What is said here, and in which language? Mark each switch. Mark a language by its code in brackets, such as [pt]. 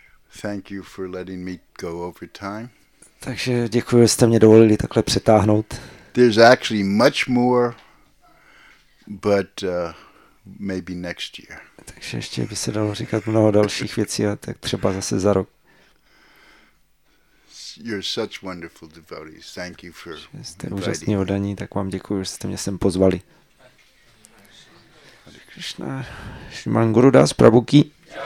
[en] Thank you for letting me go over time. [cs] Takže děkuji, že jste mě dovolili takhle přetáhnout. [en] There's actually much more, but maybe next year. [cs] Takže ještě by se dalo říkat mnoho dalších věcí, a tak třeba zase za rok. [en] You're such wonderful devotees. Thank you for inviting. [cs] Jste úžasní oddaní, tak vám děkuji, že jste mě sem pozvali. Krishna, Shriman Gurudas Prabhu ki.